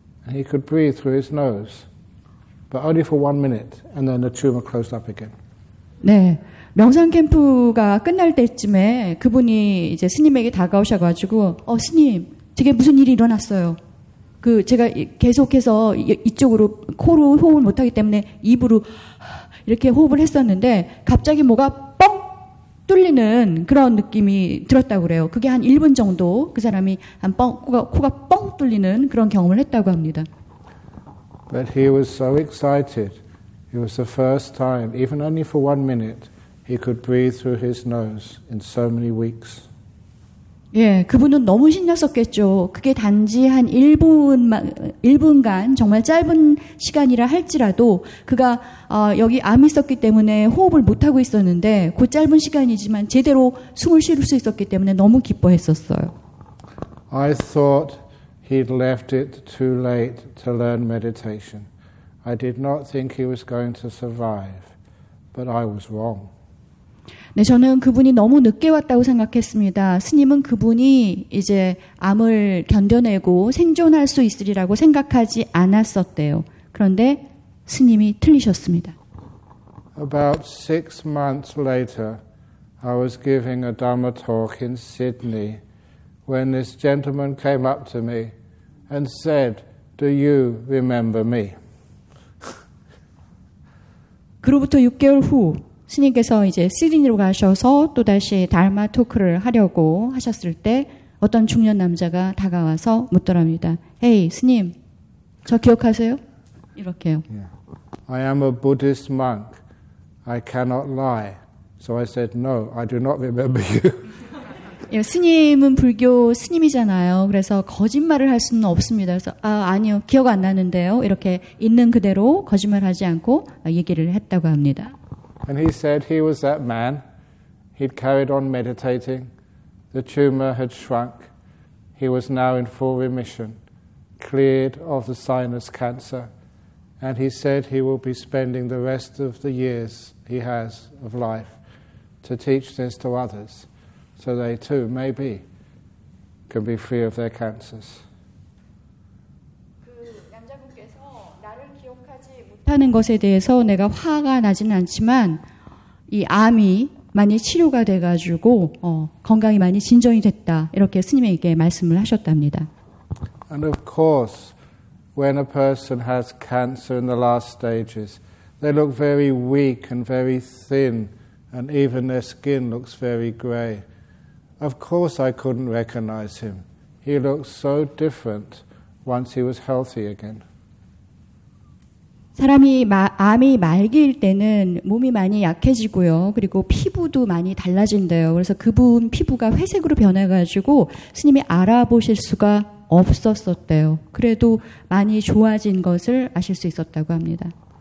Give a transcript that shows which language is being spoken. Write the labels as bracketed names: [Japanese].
[English] He could breathe through his nose, but only for 1 minute, and then the tumor closed up again. [Korean] 네, 명상 캠프가 끝날 때쯤에 그분이 이제 스님에게 다가오셔가지고, 스님, 저게 무슨 일이 일어났어요? 그 제가 계속해서 이쪽으로 코로 호흡을 못하기 때문에 입으로 이렇게 호흡을 했었는데 갑자기 뭐가 뻥 뚫리는 그런 느낌이 들었다고 그래요. 그게 한 1분 정도 그 사람이 한 뻥 코가 뻥 뚫리는 그런 경험을 했다고 합니다. [English] But he was so excited. It was the first time, even only for 1 minute, he could breathe through his nose in so many weeks. [Korean] 예, 그분은 너무 신났었겠죠. 그게 단지 한 1분간 정말 짧은 시간이라 할지라도 그가 여기 암이 있었기 때문에 호흡을 못하고 있었는데 그 짧은 시간이지만 제대로 숨을 쉴 수 있었기 때문에 너무 기뻐했었어요. [English] I thought he'd left it too late to learn meditation. I did not think he was going to survive, but I was wrong. [Korean] 네, 저는 그분이 너무 늦게 왔다고 생각했습니다. 스님은 그분이 이제 암을 견뎌내고 생존할 수 있으리라고 생각하지 않았었대요. 그런데 스님이 틀리셨습니다. [English] About 6 months later, I was giving a Dhamma talk in Sydney when this gentleman came up to me and said, "Do you remember me?" [Korean] 그로부터 6개월 후 스님께서 이제 시드니로 가셔서 또다시 달마 토크를 하려고 하셨을 때 어떤 중년 남자가 다가와서 묻더랍니다. 헤이, 스님, 저 기억하세요? 이렇게요. [English] Yeah. I am a Buddhist monk. I cannot lie. So I said, no, I do not remember you. [Korean] 예, 스님은 불교 스님이잖아요. 그래서 거짓말을 할 수는 없습니다. 그래서 아니요, 기억 안 나는데요. 이렇게 있는 그대로 거짓말하지 않고 얘기를 했다고 합니다. [English] And he said he was that man. He'd carried on meditating. The tumor had shrunk. He was now in full remission, cleared of the sinus cancer. And he said he will be spending the rest of the years he has of life to teach this to others, so they too, maybe, can be free of their cancers. [Korean] 하는 것에 대해서 내가 화가 나지는 않지만 이 암이 많이 치료가 돼가지고 건강이 많이 진전이 됐다 이렇게 스님에게 말씀을 하셨답니다. [English] And of course, when a person has cancer in the last stages, they look very weak and very thin, and even their skin looks very grey. Of course, I couldn't recognize him. He looked so different once he was healthy again. [Korean] 사람이 암이 말기일 때는 몸이 많이 약해지고요. 그리고 피부도 많이 달라진대요. 그래서 그분 피부가 회색으로 변해가지고 스님이 알아보실 수가 없었었대요. 그래도 많이 좋아진 것을 아실 수 있었다고 합니다.